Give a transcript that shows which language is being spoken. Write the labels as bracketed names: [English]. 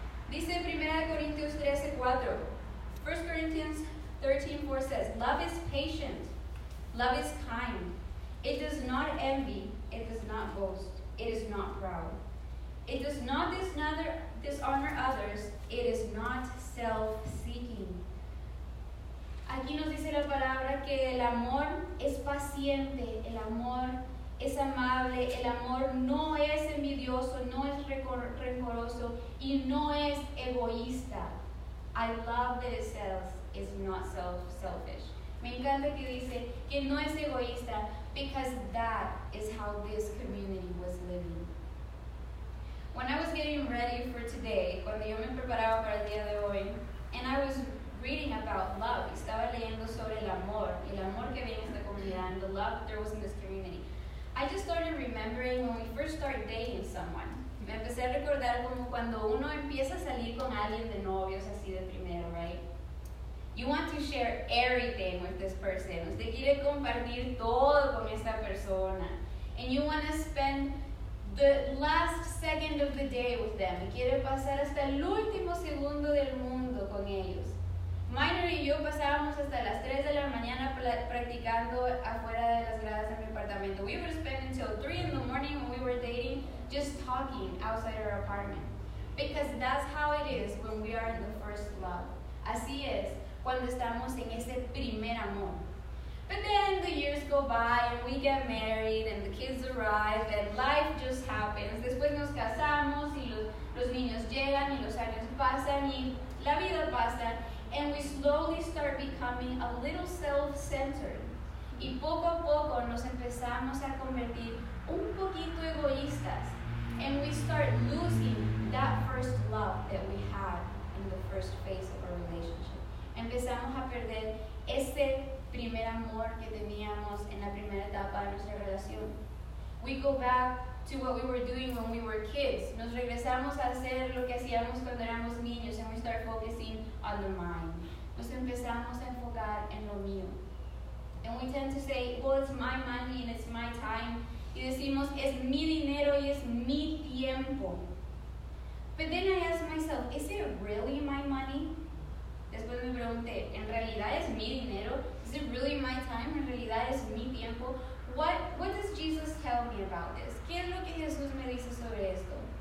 [English] Dice 1 Corinthians 13:4 says, love is patient, love is kind, it does not envy, it does not boast, it is not proud, it does not dishonor others, it is not self-seeking. [Spanish] Aquí nos dice la palabra que el amor es paciente, el amor es amable, el amor no es envidioso, no es rencoroso, y no es egoísta. [English] I love that it says it's not selfish. [Spanish] Me encanta que dice que no es egoísta, [English] because that is how this community was living. When I was getting ready for today, [Spanish] cuando yo me preparaba para el día de hoy, [English] and I was reading about love, [Spanish] estaba leyendo sobre el amor que viene en esta comunidad, [English] and the love that there was in this community, I just started remembering when we first start dating someone. [Spanish] Me empecé a recordar como cuando uno empieza a salir con alguien de novios así de primero, right? [English] You want to share everything with this person. [Spanish] Usted quiere compartir todo con esta persona. [English] And you want to spend the last second of the day with them. [Spanish] Y quiere pasar hasta el último segundo del mundo con ellos. Minor y yo pasábamos hasta las 3 de la mañana practicando afuera de las gradas de mi apartamento. [English] We would spend until 3 in the morning when we were dating, just talking outside our apartment. Because that's how it is when we are in the first love. A [Spanish] cuando estamos en ese primer amor. [English] But then the years go by and we get married and the kids arrive and life just happens. [Spanish] Después nos casamos y los niños llegan y los años pasan y la vida pasa. [English] And we slowly start becoming a little self-centered. [Spanish] Y poco a poco nos empezamos a convertir un poquito egoístas. [English] And we start losing that first love that we had in the first phase of our relationship. [Spanish] Empezamos a perder ese primer amor que teníamos en la primera etapa de nuestra relación. [English] We go back to what we were doing when we were kids. [Spanish] Nos regresamos a hacer lo que hacíamos cuando éramos niños, [English] and we start focusing on the mine. [Spanish] Nos empezamos a enfocar en lo mío. [English] And we tend to say, well, it's my money and it's my time. [Spanish] Y decimos, es mi dinero y es mi tiempo. [English] But then I ask myself, is it really my money? [Spanish] Después me pregunté, ¿en realidad es mi dinero? [English] Is it really my time? [Spanish] ¿En realidad es mi tiempo? [English] What does Jesus tell me about this? [Spanish] ¿Qué es lo que Jesús me dice sobre esto?